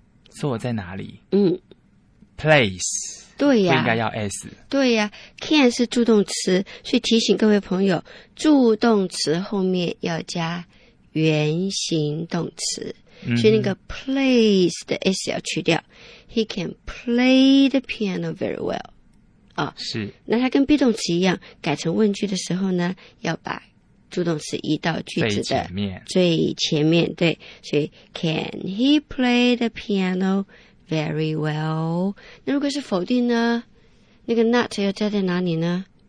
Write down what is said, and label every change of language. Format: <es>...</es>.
<zh>坐在哪里？嗯，</zh> <en>place，</en> <zh>对呀、啊、不应该要 s。对呀、啊、can 是助动词，所以提醒各位朋友，助动词后面要加原形动词、嗯、所以那个 plays 的 s 要去掉。</zh> <en>He can play the piano very well、哦、</en> <zh>是。那它跟 be 动词一样，改成问句的时候呢，要把助动词移到句子的最前面。对，所以</zh> <en>Can he play the pianoVery well。</en> <zh>那如果是否定呢，那个 not 要加在哪里呢？</zh>